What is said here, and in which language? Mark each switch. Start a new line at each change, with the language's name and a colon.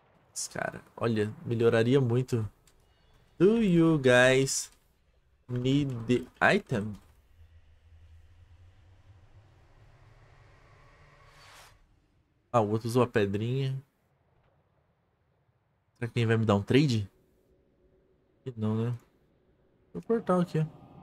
Portuguese: Mas, cara, olha, melhoraria muito.
English: Do you guys need the item?
Portuguese: Ah, o outro usou a pedrinha. Será que ele vai me dar um trade? Não, né? Vou cortar aqui, ó.